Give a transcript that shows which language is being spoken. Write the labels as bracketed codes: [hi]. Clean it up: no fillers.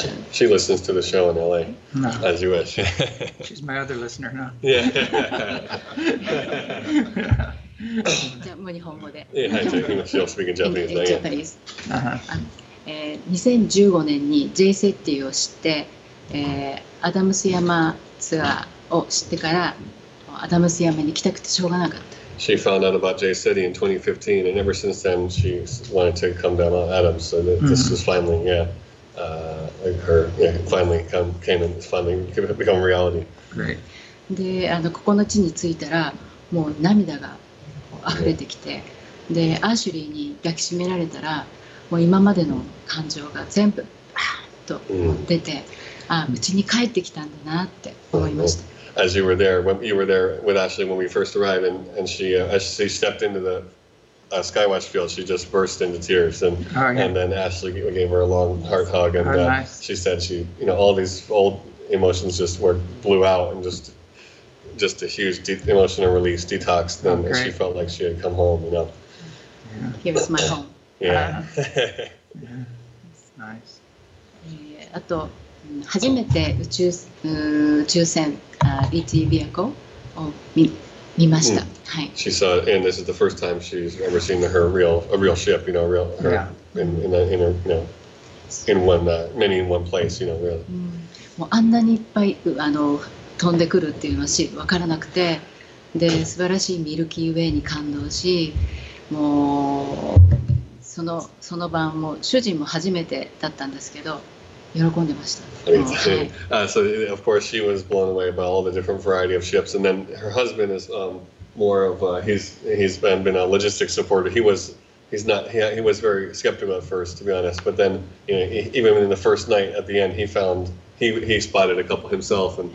[en] She listens to the show in LA, as you wish. She's my other listener now. [ja] Yeah. 日本語で。 [en] She'll speak in Japanese. In Japanese. [ja] 2015年に J セッティを知って、アダムス山ツアーを知ってから、アダムス山に来たくてしょうがなかった。 [en] She found out about Jay City in 2015, and ever since then, she wanted to come down on Adams. So this was finally, finally came and finally become reality. Great. [ja] ここの地に着いたら、もう涙が溢れてきて、で、アシュリーに抱きしめられたら、もう今までの感情が全部、バーッと出て、うちに帰ってきたんだなって思いました。 [en] As you were there, when you were there with Ashley when we first arrived, and she as she stepped into the Skywatch field, she just burst into tears, and then Ashley gave her a long heart hug, and she said she, you know, all these old emotions just blew out, and just a huge emotional release, detox. Then she felt like she had come home, you know. Here is my home. Yeah. That's nice. [ja] あと初めて宇宙船 ET vehicle を見ました。はい。 [en] She saw, and this is the first time she's ever seen a real ship, you know, real her, many in one place, you know, really. [ja] もうあんなにいっぱい飛んでくるっていうのは分からなくて、で素晴らしいミルキーウェイに感動し、もう。その晩も主人も初めてだったんですけど喜んでました。はい。 [en] So of course she was blown away by all the different variety of ships, and then her husband is more of he's been a logistics supporter. He was very skeptical at first, to be honest. But then, you know, even in the first night, at the end, he found he spotted a couple himself, and